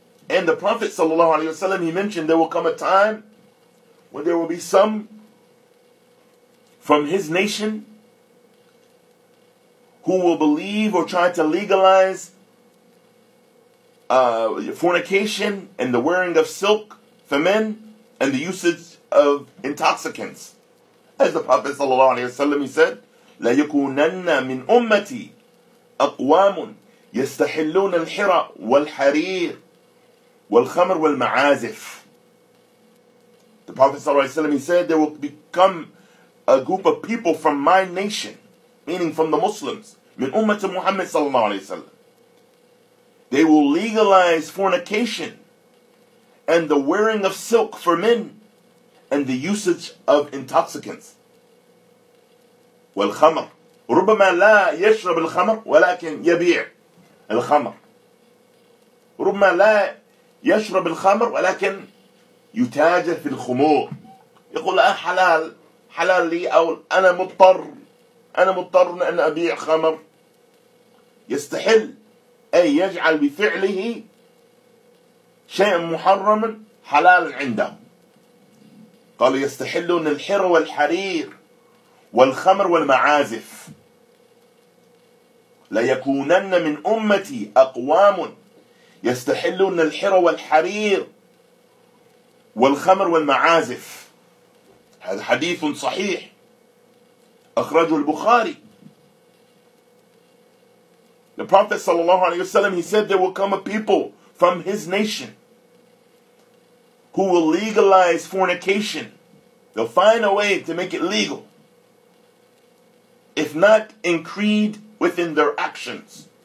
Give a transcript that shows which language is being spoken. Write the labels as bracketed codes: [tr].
[en] And the Prophet sallallahu alaihi wasallam, he mentioned there will come a time when there will be some from his nation who will believe or try to legalize fornication and the wearing of silk for men and the usage of intoxicants. [ar] As the Prophet sallallahu alaihi wasallam, he said, لَا يَكُونَنَّ مِنْ أُمَّتِي أَقْوَامٌ يَسْتَحِلُّونَ الْحِرَى وَالْحَرِيرِ وَالْخَمْرِ وَالْمَعَازِفِ. [en] The Prophet sallallahu alaihi wasallam, he said, there will become a group of people from my nation, meaning from the Muslims, [ar] مِنْ أُمَّةِ مُحَمَّدٍ [en] sallallahu alaihi wasallam. They will legalize fornication and the wearing of silk for men and the usage of intoxicants. [ar] والخمر ربما لا يشرب الخمر ولكن يبيع الخمر ربما لا يشرب الخمر ولكن يتاجر في الخمور. يقول حلال حلال لي أو أنا مضطر أن أبيع خمر. يستحل أي يجعل بفعله شيئا محرما حلالا عنده. قال يستحلون الحر والحرير والخمر والمعازف. ليكونن من أمتي أقوام يستحلون الحر والحرير والخمر والمعازف. هذا حديث صحيح أخرجه البخاري. [en] The Prophet sallallahu alaihi wasallam, he said there will come a people from his nation who will legalize fornication. They'll find a way to make it legal, if not in creed within their actions.